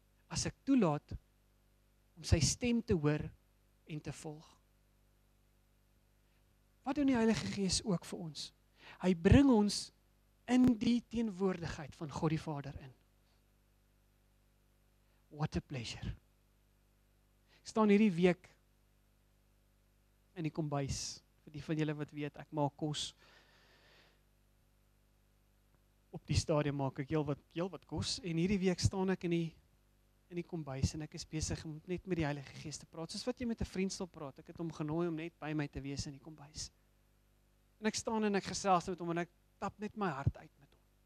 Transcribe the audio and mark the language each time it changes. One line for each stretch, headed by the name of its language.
Afrikaans: As ek toelaat om sy stem te hoor en te volg. Wat doen die Heilige Gees ook vir ons? Hy bring ons in die teenwoordigheid van God die Vader in.
English: What a pleasure.
Afrikaans: Ek staan hierdie week in die kombuis. Vir die van julle wat weet, ek maak kos. Op die stadium maak ek heel wat kos. En hierdie week staan ek in die kombuis en ek is besig om net met die Heilige Gees te praat. Soos wat jy met 'n vriend sal praat. Ek het hom genooi om net by my te wees in die kombuis. En ek staan en ek gesels met hom en ek tap net my hart uit met hom.